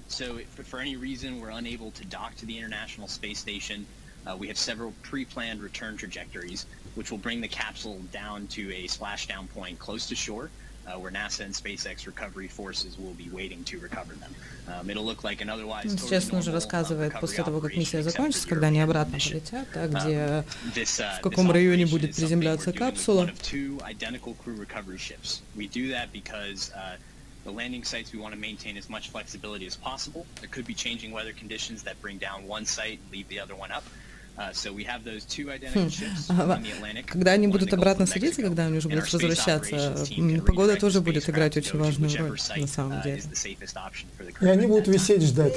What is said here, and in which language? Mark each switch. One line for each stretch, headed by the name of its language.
English: So if for any reason we're unable to dock to the International Space Station, we have several pre-planned return trajectories, which will bring the capsule down to a splashdown point close to shore, where NASA and SpaceX recovery forces will be waiting to recover them. It'll look like an otherwise totally normal recovery operation.
Russian: Сейчас нужно рассказывать после того, как миссия закончится, когда они обратно полетят, а где, в каком районе будет приземляться капсула.
English: One of two identical crew recovery ships. We do that because the landing sites we want to maintain as much flexibility as possible. There could be changing weather conditions that bring down one site and leave the other one up.
Russian: Когда они будут обратно садиться, когда они уже будут возвращаться, погода тоже будет играть очень важную роль, на самом деле. И они будут висеть ждать.